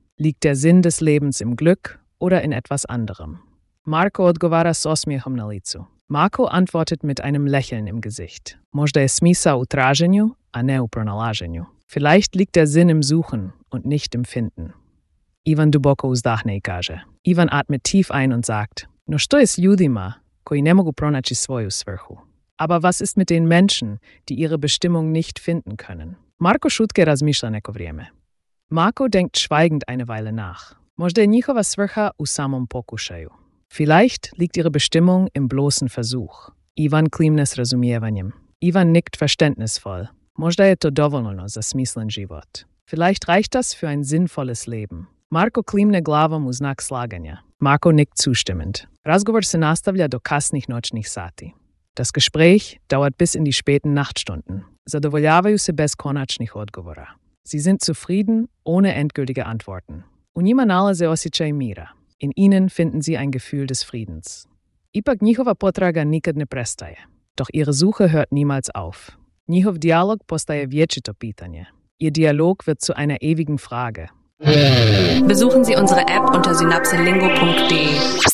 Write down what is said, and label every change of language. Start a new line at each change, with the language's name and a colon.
German: Liegt der Sinn des Lebens im Glück oder in etwas anderem?
Croatian: Marko odgovara s osmijehom na licu.
German: Marko antwortet mit einem Lächeln im Gesicht.
Croatian: Možda je smisao u traženju, a ne u pronalaženju.
German: Vielleicht liegt der Sinn im Suchen und nicht im Finden.
Croatian: Ivan duboko uzdahne i kaže.
German: Ivan atmet tief ein und sagt,
Croatian: no što je s ljudima koji ne mogu pronaći svoju svrhu?
German: Aber was ist mit den Menschen, die ihre Bestimmung nicht finden können?
Croatian: Marko šutke razmišlja neko vrijeme.
German: Marko denkt schweigend eine Weile nach.
Croatian: Možda je njihova svrha u samom pokušaju.
German: Vielleicht liegt ihre Bestimmung im bloßen Versuch.
Croatian: Ivan klimne s razumijevanjem.
German: Ivan nickt verständnisvoll.
Croatian: Možda je to dovoljno za smislen život.
German: Vielleicht reicht das für ein sinnvolles Leben.
Croatian: Marko klimne glavom u znak slaganja.
German: Marko nickt zustimmend.
Croatian: Razgovor se nastavlja do kasnih noćnih sati.
German: Das Gespräch dauert bis in die späten Nachtstunden.
Croatian: Zadovoljavaju se bez konačnih odgovora.
German: Sie sind zufrieden, ohne endgültige Antworten.
Croatian: U njima nalaze osjećaj mira.
German: In ihnen finden sie ein Gefühl des Friedens.
Croatian: Ipak njihova potraga nikad ne prestaje.
German: Doch ihre Suche hört niemals auf.
Croatian: Njihov dijalog postaje vječito pitanje.
German: Ihr Dialog wird zu einer ewigen Frage. Besuchen Sie unsere App unter synapselingo.de.